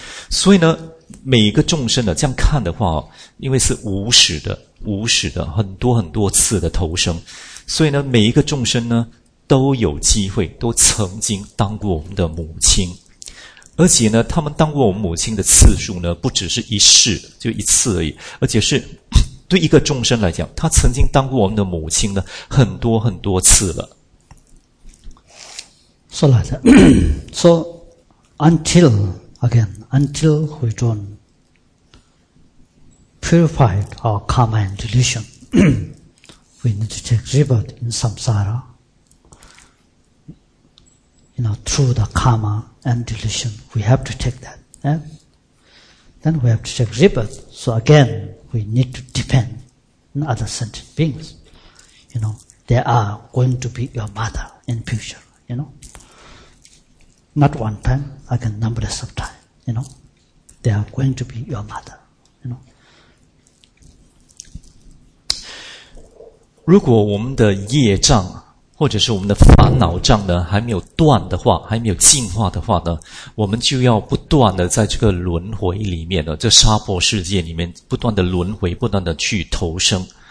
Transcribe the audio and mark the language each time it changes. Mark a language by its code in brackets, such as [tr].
[zh] 所以呢，每个众生呢，这样看的话，因为是无始的很多很多次的投生，所以呢，每一个众生呢都有机会，都曾经当过我们的母亲。而且呢，他们当过我们母亲的次数呢不只是一世，就一次而已，而且是对一个众生来讲，他曾经当过我们的母亲呢很多很多次了。说来的说 [en] until we don't purify our karma and delusion, we need to take rebirth in samsara, you know, through the karma and delusion, we have to take that, yeah? Then we have to take rebirth, so again,We need to depend on other sentient beings. You know, they are going to be your mother in future, you know. Not one time, like a numberless of time, you know. They are going to be your mother, you know. [zh] 如果我们的业障或者是我们的烦恼障呢还没有断的话，还没有净化的话呢，我们就要不断的在这个轮回里面呢，这娑婆世界里面不断的轮回，不断的去投生。